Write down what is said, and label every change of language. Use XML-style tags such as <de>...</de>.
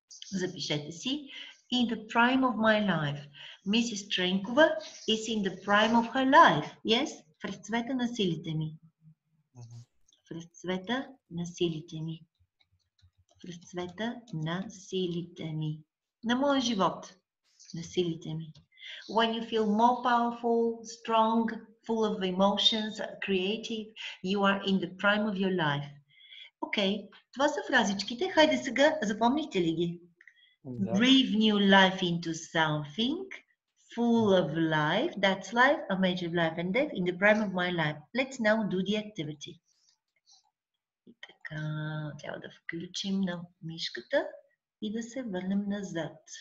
<bg>Запишете си.</bg> <en>In the prime of my life. Мисис Тренкова is in the prime of her life. Yes?</en> <bg>В разцвета на силите ми. В разцвета на силите ми. в цвета на силите ми. На моя живот, на силите ми.</bg> <en>When you feel more powerful, strong, full of emotions, creative, you are in the prime of your life.</en> <bg>Окей, това са фразичките. Хайде сега, запомнихте ли ги? Да.</bg> <en>Breathe new life into something, full of life, that's life, a major life and death, in the prime of my life. Let's now do the activity.</en> <bg>И така, трябва да включим на мишката и да се върнем назад.</bg>